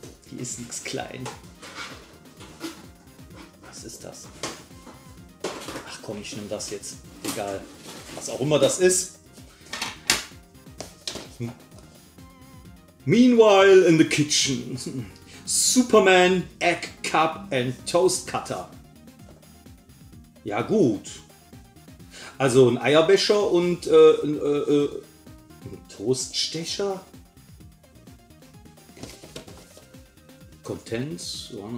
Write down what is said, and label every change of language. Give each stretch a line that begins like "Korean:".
German: Hier ist nichts klein. Ist das? Ach komm, ich nehme das jetzt. Egal, was auch immer das ist.
English: Meanwhile in the kitchen. Superman Egg Cup and Toast Cutter.
German: Ja gut. Also ein Eierbecher und ein Toaststecher.
English: Contents.